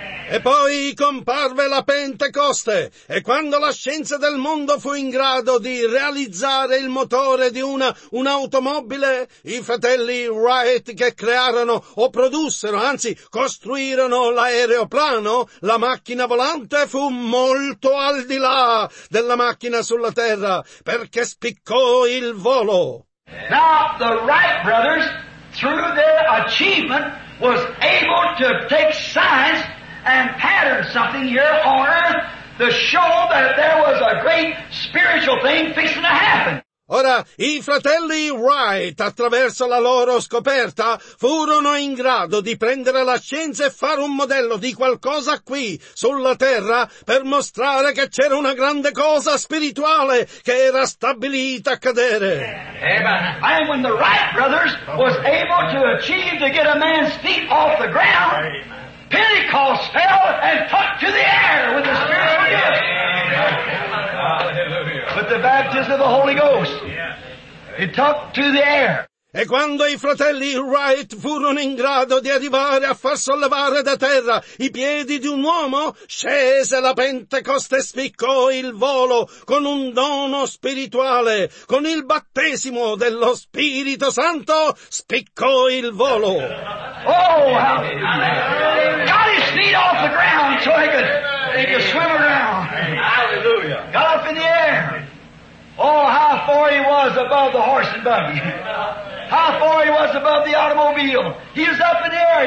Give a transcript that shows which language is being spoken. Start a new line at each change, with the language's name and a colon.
Italian: E poi comparve la Pentecoste, e quando la scienza del mondo fu in grado di realizzare il motore di un'automobile, i fratelli Wright che crearono o produssero, anzi costruirono l'aeroplano, la macchina volante fu molto al di là della macchina sulla terra, perché spiccò il volo.
English: Now the Wright brothers, through their achievement, was able to take science and pattern something here on earth to show that there was a great spiritual thing fixing to happen.
Italian: Ora, i fratelli Wright, attraverso la loro scoperta, furono in grado di prendere la scienza e fare un modello di qualcosa qui, sulla terra, per mostrare che c'era una grande cosa spirituale che era stabilita a cadere.
English: And when the Wright brothers was able to achieve to get a man's feet off the ground, Pentecost fell and took to the air with the spiritual gift. Hallelujah. With the baptism of the Holy Ghost. It took to the air.
Italian: E quando i fratelli Wright furono in grado di arrivare a far sollevare da terra i piedi di un uomo, scese la Pentecoste e spiccò il volo con un dono spirituale. Con il battesimo dello Spirito Santo spiccò il volo.
English: Oh, got his feet off the ground so he could swim around. Hallelujah. Got up in the air. Oh, how far he was above the horse and buggy. How far he was above the automobile. He was up in the air.